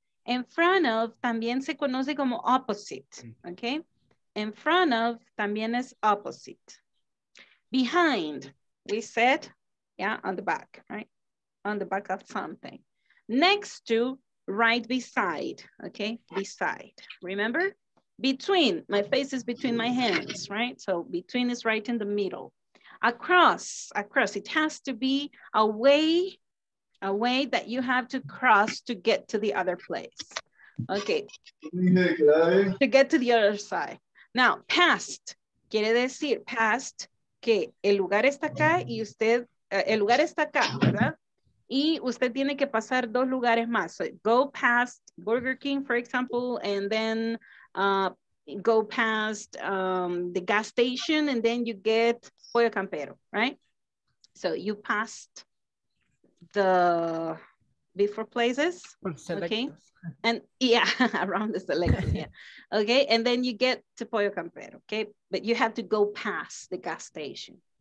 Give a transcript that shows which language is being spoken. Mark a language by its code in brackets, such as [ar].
[es] In front of también se conoce como opposite, okay? In front of también es opposite. [en] Behind, we said, yeah, on the back, right? On the back of something. Next to, right beside, okay? Beside, remember? Between, my face is between my hands, right? So between is right in the middle. Across, across, it has to be away. A way that you have to cross to get to the other place. Okay. To get to the other side. Now, past. [es] Quiere decir past que el lugar está acá y usted, el lugar está acá, ¿verdad? Y usted tiene que pasar dos lugares más. [en] So go past Burger King, for example, and then go past the gas station and then you get Pollo Campero, right? So you passed the before places, okay, and yeah, around the selection, yeah, okay, and then you get to Pollo Campero, okay, but you have to go past the gas station.